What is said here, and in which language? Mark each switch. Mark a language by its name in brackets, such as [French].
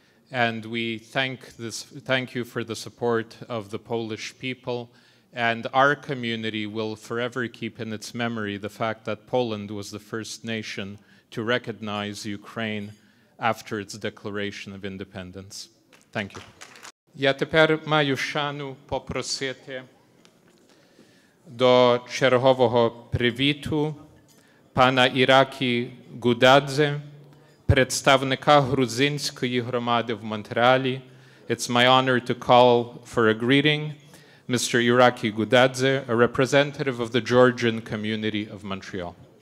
[English] And we thank you for the support of the Polish people. And our community will forever keep in its memory the fact that Poland was the first nation to recognize Ukraine after its declaration of independence. Thank you. [Ukrainian] Я тепер маю шану попросити до чергового привіту пана Іракі Гудадзе, представника грузинської громади в Монтреалі. [English] It's my honor to call for a greeting Mr. Iraki Gudadze, a representative of the Georgian community of Montreal.